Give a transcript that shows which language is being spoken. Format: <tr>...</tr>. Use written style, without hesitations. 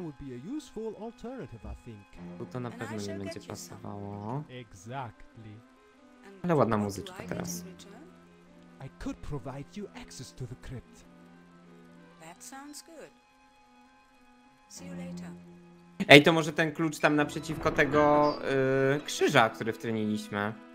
<en>would be a useful alternative, I think.</en> <pl>Tu to na pewno nie będzie pasowało.</pl> <en>Exactly.</en> <pl>Ale ładna muzyczka teraz.</pl> <en>I could provide you access to the crypt. That sounds good. See you later.</en> <pl>Ej, to może ten klucz tam naprzeciwko tego krzyża, który wtryniliśmy.</pl>